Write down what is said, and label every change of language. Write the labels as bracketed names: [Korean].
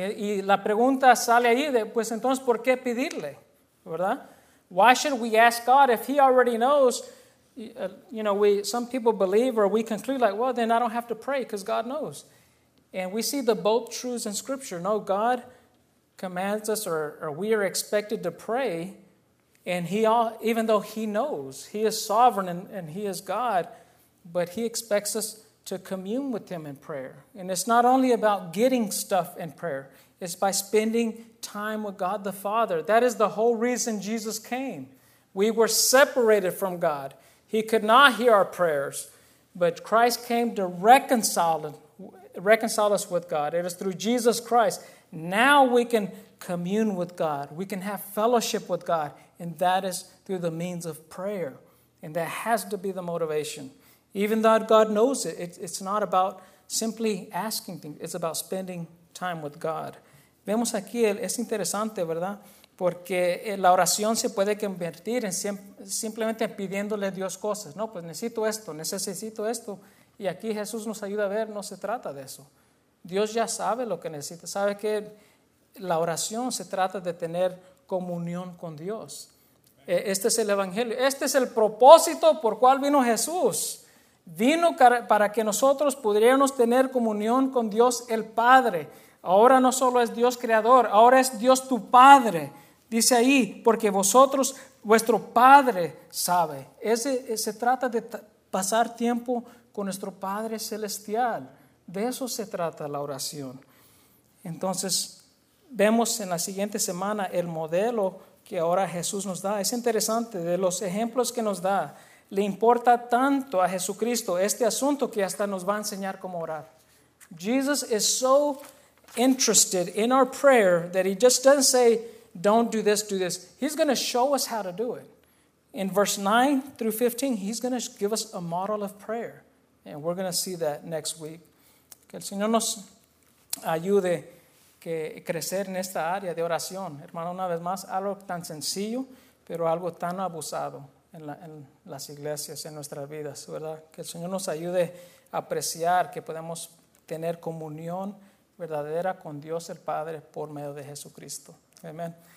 [Spanish] Y la pregunta sale ahí de, pues entonces, ¿por qué pedirle? ¿Verdad? [English] Why should we ask God if He already knows? You know, some people believe or we conclude like, well, then I don't have to pray because God knows. And we see the both truths in Scripture. No, God commands us or we are expected to pray. And even though He knows, He is sovereign and He is God, but He expects us to commune with Him in prayer. And it's not only about getting stuff in prayer. It's by spending time with God the Father. That is the whole reason Jesus came. We were separated from God. He could not hear our prayers. But Christ came to reconcile us with God. It is through Jesus Christ. Now we can commune with God. We can have fellowship with God. And that is through the means of prayer. And that has to be the motivation. Even though God knows it, it's not about simply asking things. It's about spending time with God. [Spanish] Vemos aquí, es interesante, ¿verdad? Porque la oración se puede convertir en simplemente pidiéndole a Dios cosas. No, pues necesito esto. Y aquí Jesús nos ayuda a ver, no se trata de eso. Dios ya sabe lo que necesita. Sabe que la oración se trata de tener comunión con Dios. Este es el evangelio. Este es el propósito por cual vino Jesús. Vino para que nosotros pudiéramos tener comunión con Dios el Padre. Ahora no solo es Dios creador, ahora es Dios tu Padre. Dice ahí, porque vosotros, vuestro Padre sabe. Se trata de pasar tiempo con nuestro Padre Celestial. De eso se trata la oración. Entonces, vemos en la siguiente semana el modelo que ahora Jesús nos da. Es interesante, de los ejemplos que nos da, le importa tanto a Jesucristo este asunto que hasta nos va a enseñar cómo orar. [English] Jesus is so interested in our prayer that He just doesn't say, don't do this, do this. He's going to show us how to do it. In verse 9 through 15, He's going to give us a model of prayer. And we're going to see that next week. [Spanish] Que el Señor nos ayude que crecer en esta área de oración. Hermano, una vez más, algo tan sencillo, pero algo tan abusado en las iglesias, en nuestras vidas, ¿verdad? Que el Señor nos ayude a apreciar que podemos tener comunión verdadera con Dios el Padre por medio de Jesucristo. Amén.